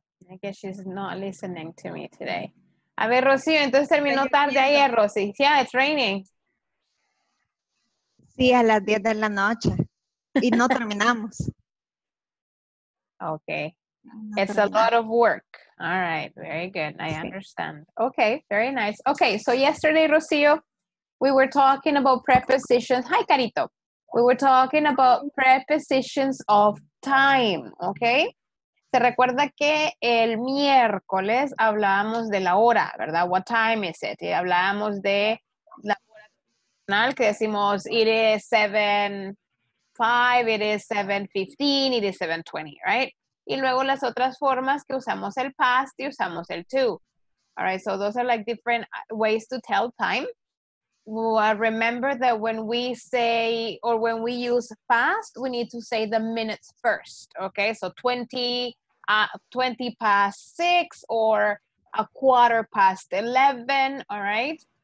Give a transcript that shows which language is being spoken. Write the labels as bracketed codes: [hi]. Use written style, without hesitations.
[en] I guess she's not listening to me today. [es] A ver, Rocío, entonces terminó tarde ayer, Rosy. [en] Yeah, it's raining. [es] Sí, a las 10 de la noche. Y no terminamos. [en] Okay. It's a lot of work. All right. Very good. I understand. Okay. Very nice. Okay. So yesterday, Rocío, we were talking about prepositions. Hi, Carito. We were talking about prepositions of time. Okay. [es] ¿Se recuerda que el miércoles hablábamos de la hora, verdad? [en] What time is it? [es] Y hablábamos de la hora personal, que decimos, [en] it is 7:05, it is 7:15, it is 7:20, right? [es] Y luego las otras formas que usamos el past y usamos el to. [en] All right, so those are like different ways to tell time. Well, remember that when we say, or when we use past, we need to say the minutes first, okay? So 20 past 6 or a quarter past 11, all right?